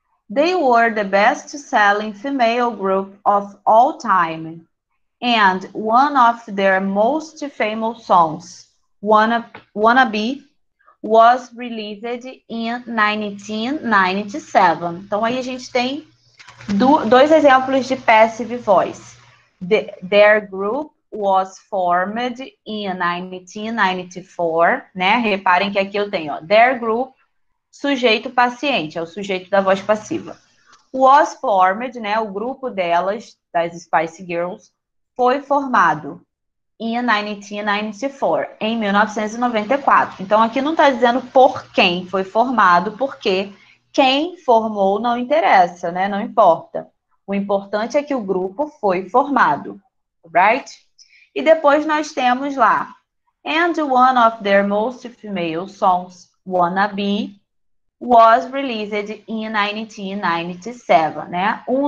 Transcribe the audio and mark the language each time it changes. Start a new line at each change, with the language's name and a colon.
English: They were the best-selling female group of all time. And one of their most famous songs, Wannabe, was released in 1997.
Portuguese: Então, aí a gente tem dois exemplos de passive voice.
English: Their group was formed in 1994,
Portuguese: né? Reparem que aqui eu tenho, ó,
English: their group,
Portuguese: sujeito paciente, é o sujeito da voz passiva.
English: Was formed, né?
Portuguese: O grupo delas, das Spice Girls, foi formado em 1994, em 1994. Então, aqui não está dizendo por quem foi formado, porque quem formou não interessa, né? Não importa. O importante é que o grupo foi formado, right? E depois nós temos lá,
English: and one of their most female songs, Wannabe, was released in 1997, né?